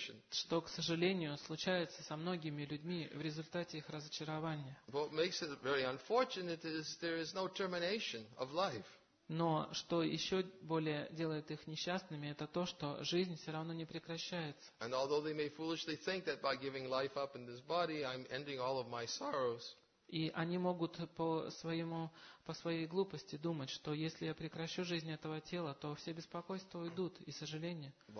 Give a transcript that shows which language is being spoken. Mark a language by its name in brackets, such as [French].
[Russian] что, к сожалению, случается со многими людьми в результате их разочарования. [English] What makes it very unfortunate is there is no termination of life. [Russian] Но что еще более делает их несчастными, это то, что жизнь все равно не прекращается. И они могут по своей глупости думать, что если я прекращу жизнь этого тела, то все беспокойства уйдут и сожаления.